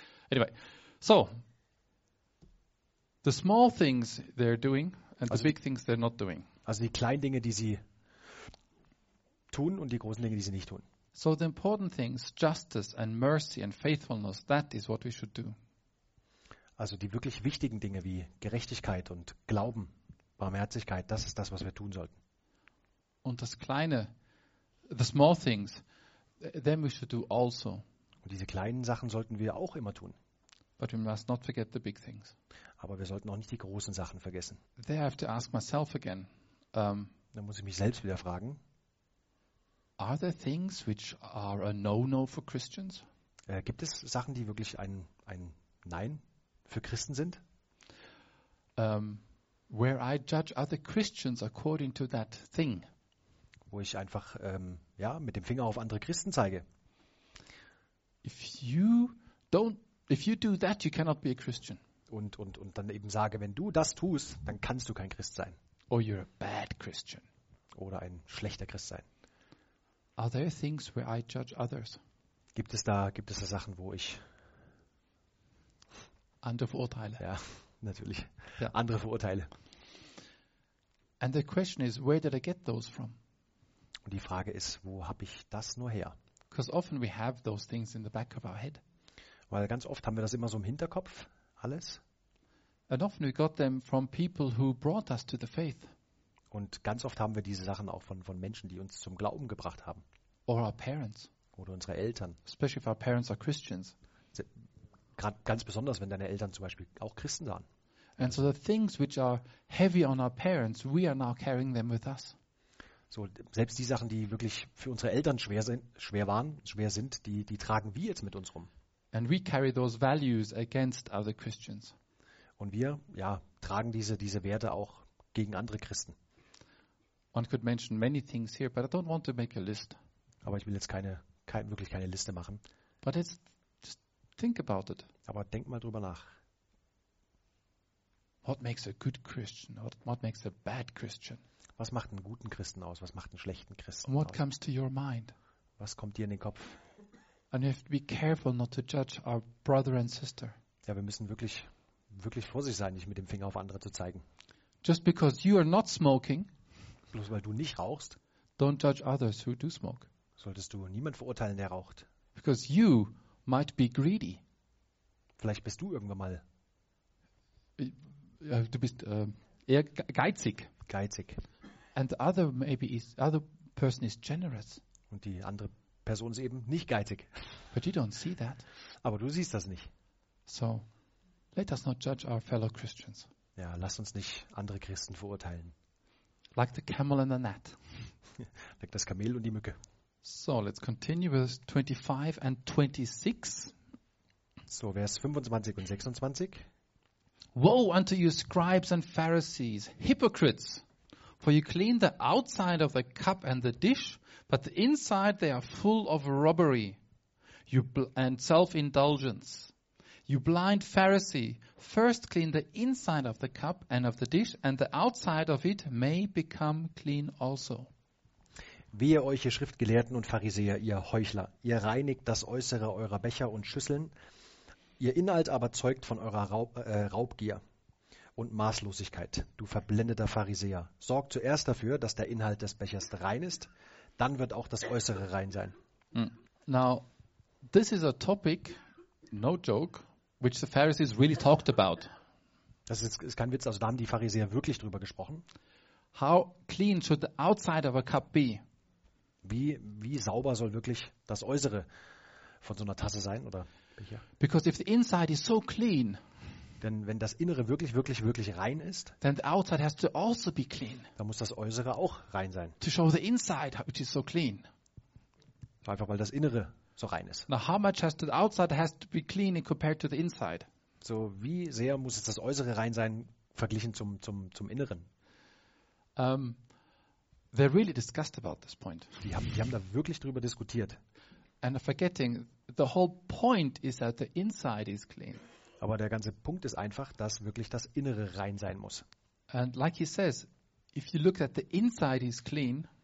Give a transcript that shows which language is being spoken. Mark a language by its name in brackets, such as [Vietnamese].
[English] Anyway, so the small things they're doing and also the big things they're not doing. [German] Also die kleinen Dinge, die sie tun, und die großen Dinge, die sie nicht tun. [English] So the important things, justice and mercy and faithfulness, that is what we should do. [German] Also die wirklich wichtigen Dinge wie Gerechtigkeit und Glauben, Barmherzigkeit, das ist das, was wir tun sollten. Und das Kleine, [English] the small things, them we should do also. [German] Und diese kleinen Sachen sollten wir auch immer tun. [English] But we must not forget the big things. [German] Aber wir sollten auch nicht die großen Sachen vergessen. [English] There I have to ask myself again. [German] Da muss ich mich selbst wieder fragen. [English] Are there things which are a no-no for Christians? [German] Gibt es Sachen, die wirklich ein Nein für Christen sind? [English] Where I judge other Christians according to that thing. [German] Wo ich einfach mit dem Finger auf andere Christen zeige. [English] If you do that, you cannot be a Christian. [German] Und dann eben sage, wenn du das tust, dann kannst du kein Christ sein. [English] Or you're a bad Christian. [German] Oder ein schlechter Christ sein. [English] Are there things where I judge others? [German] Gibt es da Sachen, wo ich andere verurteile? Ja, natürlich. Ja. Andere verurteile. [English] And the question is, where did I get those from? [German] Und die Frage ist, wo habe ich das nur her? [English] Because often we have those things in the back of our head. [German] Weil ganz oft haben wir das immer so im Hinterkopf, alles. [English] And often we got them from people who brought us to the faith. [German] Und ganz oft haben wir diese Sachen auch von Menschen, die uns zum Glauben gebracht haben. [English] Or our parents. [German] Oder unsere Eltern. [English] Especially if our parents are Christians. [German] Gerade ganz besonders, wenn deine Eltern zum Beispiel auch Christen waren. [English] And so the things which are heavy on our parents, we are now carrying them with us. [German] So selbst die Sachen, die wirklich für unsere Eltern schwer sind, die tragen wir jetzt mit uns rum. [English] And we carry those values against other Christians. [German] Und wir, ja, tragen diese Werte auch gegen andere Christen. [English] One could mention many things here, but I don't want to make a list. [German] Aber ich will jetzt keine Liste machen. [English] But let's just think about it. [German] Aber denk mal drüber nach. [English] What makes a good Christian? What makes a bad Christian? [German] Was macht einen guten Christen aus? Was macht einen schlechten Christen aus? [English] And what comes to your mind? [German] Was kommt dir in den Kopf? [English] And you have to be careful not to judge our brother and sister. [German] Ja, wir müssen wirklich vorsichtig sein, nicht mit dem Finger auf andere zu zeigen. [English] Just because you are not smoking. [German] Bloß weil du nicht rauchst, [English] don't judge others who do smoke. [German] Solltest du niemanden verurteilen, der raucht. [English] Because you might be greedy. [German] Vielleicht bist du irgendwann mal. Du bist eher geizig. Geizig. [English] And the other maybe is other person is generous. [German] Und die andere Person ist eben nicht geizig. [English] But you don't see that. [German] Aber du siehst das nicht. [English] So, let us not judge our fellow Christians. [German] Ja, lass uns nicht andere Christen verurteilen. [English] Like the camel and the gnat. [German] Like das Kamel und die Mücke. [English] So, let's continue with 25 and 26. [German] So, Vers 25 und 26. [English] Woe unto you, scribes and Pharisees, hypocrites! For you clean the outside of the cup and the dish, but the inside they are full of robbery and self-indulgence. You blind Pharisee, first clean the inside of the cup and of the dish, and the outside of it may become clean also. [German] Wehe euch, ihr Schriftgelehrten und Pharisäer, ihr Heuchler! Ihr reinigt das Äußere eurer Becher und Schüsseln, ihr Inhalt aber zeugt von eurer Raubgier und Maßlosigkeit. Du verblendeter Pharisäer, sorg zuerst dafür, dass der Inhalt des Bechers rein ist, dann wird auch das Äußere rein sein. [English] Now, this is a topic, no joke, which the Pharisees really talked about. [German] Das ist kein Witz, also da haben die Pharisäer wirklich drüber gesprochen. [English] How clean should the outside of a cup be? [German] Wie sauber soll wirklich das Äußere von so einer Tasse sein oder [English] Becher? Because if the inside is so clean, [German] denn wenn das Innere wirklich, wirklich, wirklich rein ist, [English] then the outside has to also be clean. [German] Dann muss das Äußere auch rein sein. [English] To show the inside, which is so clean. [German] Einfach weil das Innere so rein ist. [English] Now how much has the outside has to be clean compared to the inside? [German] So wie sehr muss es das Äußere rein sein verglichen zum Inneren? [English] They really discussed about this point. [German] Die haben da wirklich drüber diskutiert. [English] And forgetting the whole point is that the inside is clean. [German] Aber der ganze Punkt ist einfach, dass wirklich das Innere rein sein muss. [English] And like he says, if you look at the inside is clean.